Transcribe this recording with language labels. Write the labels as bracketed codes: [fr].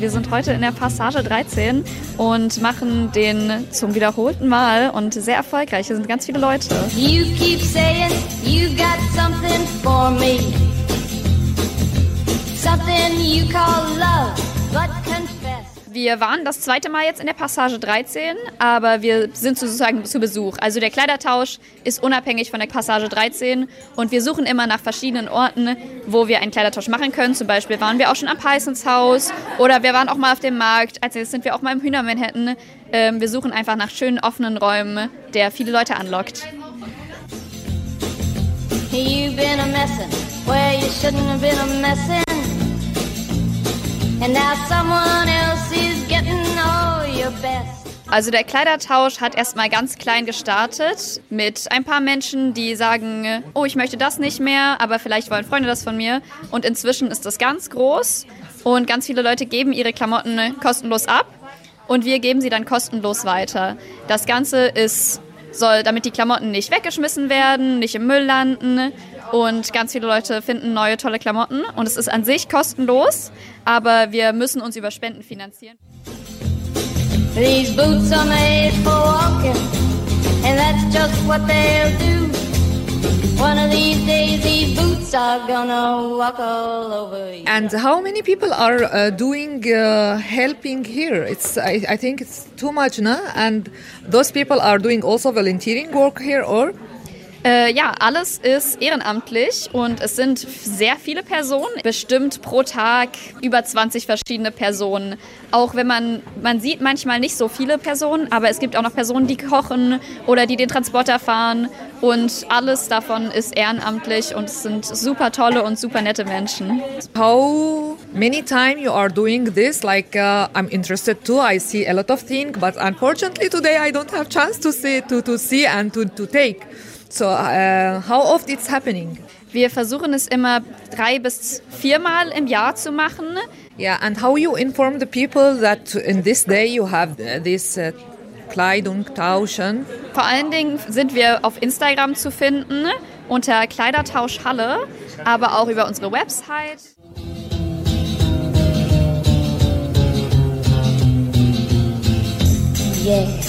[de] Wir sind heute in der Passage 13 und machen den zum wiederholten Mal und sehr erfolgreich. Hier sind ganz viele Leute. [en] You keep saying you got something for me. Something you call love, but confess. [de] Wir waren das zweite Mal jetzt in der Passage 13, aber wir sind sozusagen zu Besuch. Also der Kleidertausch ist unabhängig von der Passage 13 und wir suchen immer nach verschiedenen Orten, wo wir einen Kleidertausch machen können. Zum Beispiel waren wir auch schon am Pisons Haus oder wir waren auch mal auf dem Markt. Als nächstes sind wir auch mal im Hühner Manhattan. Wir suchen einfach nach schönen offenen Räumen, der viele Leute anlockt. [en] You've been a messin' where you shouldn't have been a messin'. And now someone else is getting all your best. [de] Also der Kleidertausch hat erstmal ganz klein gestartet mit ein paar Menschen, die sagen, oh, ich möchte das nicht mehr, aber vielleicht wollen Freunde das von mir. Und inzwischen ist das ganz groß und ganz viele Leute geben ihre Klamotten kostenlos ab und wir geben sie dann kostenlos weiter. Das Ganze soll, damit die Klamotten nicht weggeschmissen werden, nicht im Müll landen. Und ganz viele Leute finden neue, tolle Klamotten. Und es ist an sich kostenlos, aber wir müssen uns über Spenden finanzieren. [en] These boots are made for walking, and that's just what they'll do. One of these days, these boots are gonna walk all over you. And how many people are doing helping here? I think it's too much, no? And those people are doing also volunteering work here, or... [de] Alles ist ehrenamtlich und es sind sehr viele Personen, bestimmt pro Tag über 20 verschiedene Personen. Auch wenn man sieht manchmal nicht so viele Personen, aber es gibt auch noch Personen, die kochen oder die den Transporter fahren und alles davon ist ehrenamtlich und es sind super tolle und super nette Menschen. [en] How many times you are doing this? Like I'm interested too, I see a lot of things, but unfortunately today I don't have chance to see and to take. So, how oft it's happening? [de] Wir versuchen es immer 3 bis 4 Mal im Jahr zu machen. [en] Yeah, and how you inform the people that in this day you have this [de] Kleidung tauschen? Vor allen Dingen sind wir auf Instagram zu finden unter Kleidertauschhalle, aber auch über unsere Website. [en] Yeah.